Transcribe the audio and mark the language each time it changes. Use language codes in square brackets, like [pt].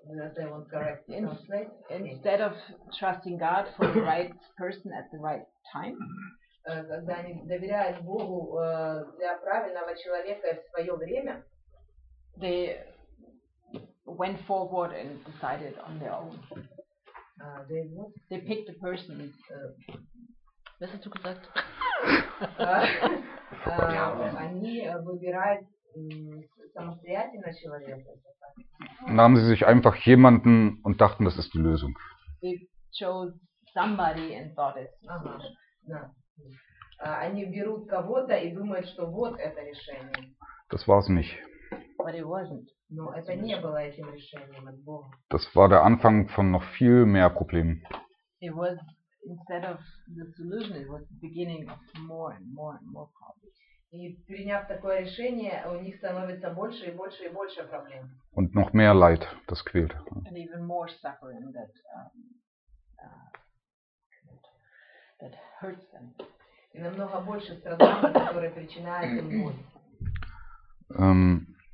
[en] Instead of trusting God for the right person at the right time, [ru] когда они доверяют Богу для правильного человека в свое время, [en] they went forward and decided on their own. They picked a person. [de] Was ist das? [ru] Они выбирают самостоятельно человека. [de] Nahmen sie sich einfach jemanden und dachten, das ist die Lösung. [en] They chose somebody and thought it. [ru] Они берут кого-то и думают, что вот это решение. [de] Das war es nicht. [en] But it wasn't. [ru] Но это не было этим решением от Бога. [de] Das war der Anfang von noch viel mehr Problemen. [en] It was instead of the solution, it was the beginning of more and more and more problems. [ru] И приняв такое решение, у них становится больше и больше и больше проблем. [de] Und noch mehr Leid, das quält. [en] And even more suffering that hurts them. [ru] И намного больше страданий, которые причиняют им боль.